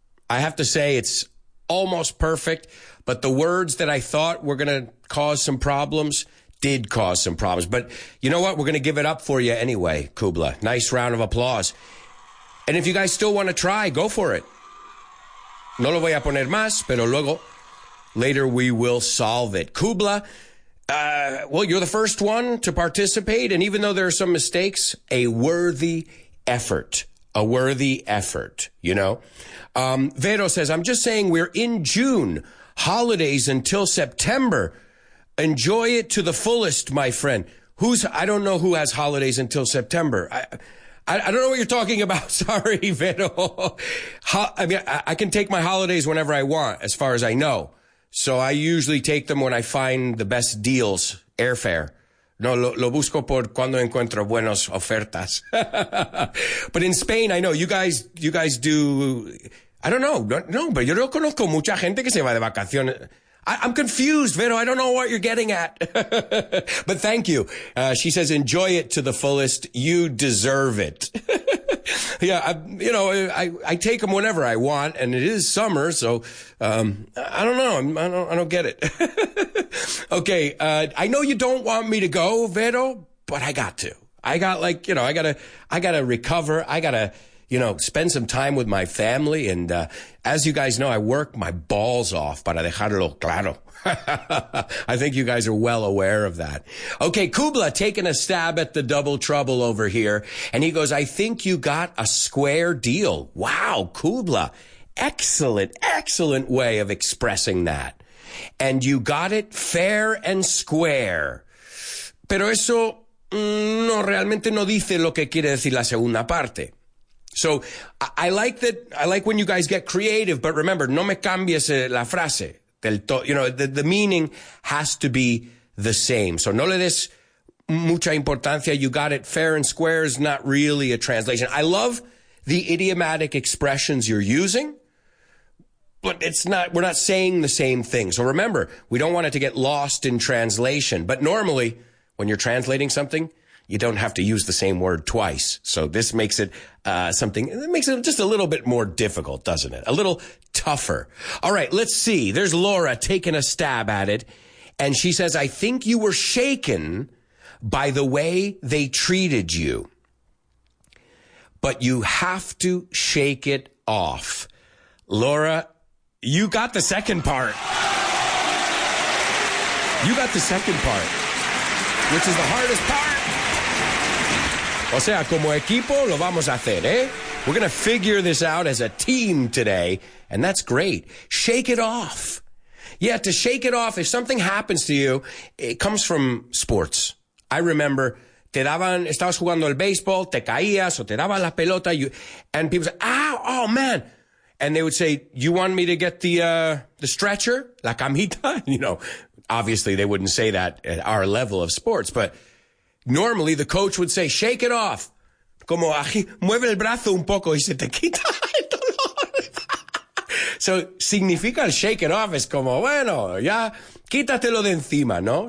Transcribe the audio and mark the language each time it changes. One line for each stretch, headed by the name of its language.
English: I have to say it's almost perfect, but the words that I thought were going to cause some problems did cause some problems. But you know what? We're going to give it up for you anyway, Kubla. Nice round of applause. And if you guys still want to try, go for it.
Spanish: No lo voy a poner más, pero luego,
English: later we will solve it. Kubla, well, you're the first one to participate, and even though there are some mistakes, a worthy effort, you know? Vero says, I'm just saying we're in June, holidays until September. Enjoy it to the fullest, my friend. I don't know who has holidays until September. I don't know what you're talking about. Sorry, Vero. I can take my holidays whenever I want, as far as I know. So I usually take them when I find the best deals, airfare.
Spanish: No, lo busco por cuando encuentro buenas ofertas.
English: But in Spain, I know you guys do, I don't know.
Spanish: No, pero yo no conozco mucha gente que se va de vacaciones.
English: I'm confused, Vero. I don't know what you're getting at. But thank you. She says, enjoy it to the fullest. You deserve it. Yeah, I take them whenever I want, and it is summer, so I don't know. I don't get it. Okay, I know you don't want me to go, Vero, but I got to. I gotta recover. I gotta, you know, spend some time with my family, and as you guys know, I work my balls off
Spanish: para dejarlo claro.
English: I think you guys are well aware of that. Okay, Kubla taking a stab at the double trouble over here. And he goes, I think you got a square deal. Wow, Kubla. Excellent way of expressing that. And you got it fair and square.
Spanish: Pero eso no realmente no dice lo que quiere decir la segunda parte.
English: So I like when you guys get creative, but remember,
Spanish: no me cambies la frase.
English: The meaning has to be the same. So
Spanish: no le des mucha importancia.
English: You got it fair and square is not really a translation. I love the idiomatic expressions you're using, but we're not saying the same thing. So remember, we don't want it to get lost in translation. But normally, when you're translating something, you don't have to use the same word twice. So this makes it something that makes it just a little bit more difficult, doesn't it? A little tougher. All right, let's see. There's Laura taking a stab at it. And she says, I think you were shaken by the way they treated you. But you have to shake it off. Laura, you got the second part. You got the second part, which is the hardest part.
Spanish: O sea, como equipo, lo vamos a hacer, eh?
English: We're going to figure this out as a team today, and that's great. Shake it off. Yeah, to shake it off, if something happens to you, it comes from sports. I remember,
Spanish: estabas jugando el baseball, te caías, o te daban la pelota,
English: and people say, ow, oh, man. And they would say, you want me to get the stretcher, la camita, you know. Obviously, they wouldn't say that at our level of sports, but normally the coach would say, shake it off.
Spanish: Como, mueve el brazo un poco y se te quita el dolor. So, significa el shake it off. Es como, bueno, ya, quítatelo de encima, ¿no?